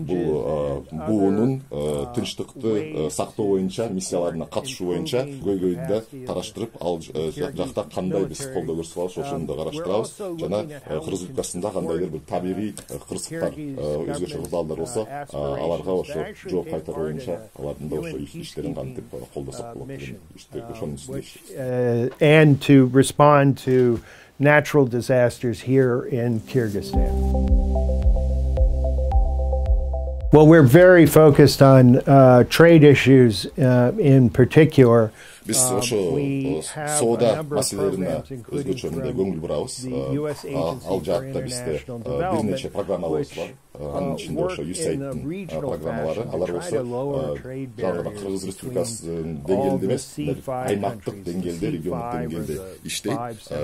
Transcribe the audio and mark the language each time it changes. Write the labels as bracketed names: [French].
[Kyrgyz] Бул буунун тынчтыкты сактоо боюнча миссияларына катышуу боюнча көйгөйдү да караштырып, ал жакта кандай биз колдоо көрсөтө алабыз ошону да караштырабыз. Жана Кыргыз Республикасында кандайдыр бир табигый кырсыктар, өзгөчө кырдаалдар болсо, аларга ошо жооп кайтаруу боюнча алардын да ошо иштерин кантип колдосок болот деген иштер ошонун үстүндө. [English] And to respond to natural disasters here in Kyrgyzstan. Well, we're very focused on trade issues in particular. [Kyrgyz] Биз ошо соода маселелерине өзгөчө мындай көңүл бурабыз. Ал жаатта бизде бир нече программаларыбыз бар. Анын ичинде ошо USAID'дин программалары. Алар болсо жалгана Кыргыз Республикасынын деңгээлинде эмес, аймактык деңгээлде, региондук деңгээлде иштейт.